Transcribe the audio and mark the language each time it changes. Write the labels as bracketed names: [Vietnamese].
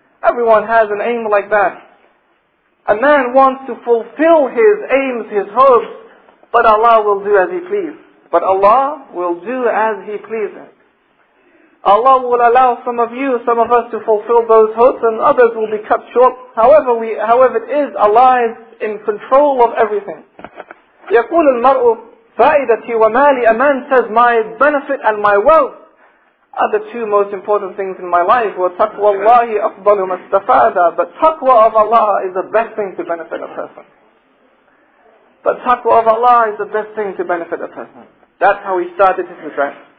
[English] Everyone has an aim like that. A man wants to fulfill his aims, his hopes, but Allah will do as He pleases. But Allah will do as He pleases. Allah will allow some of you, some of us to fulfill those hopes and others will be cut short. However it is, Allah is in control of everything. [Arabic] يقول المرء فائدتي ومالي. [English] A man says, my benefit and my wealth are the two most important things in my life. [Arabic] وَتَقْوَى اللَّهِ أَفْضَلُ مَا اسْتَفَادَ. [English] But taqwa of Allah is the best thing to benefit a person. But taqwa of Allah is the best thing to benefit a person. That's how he started his address.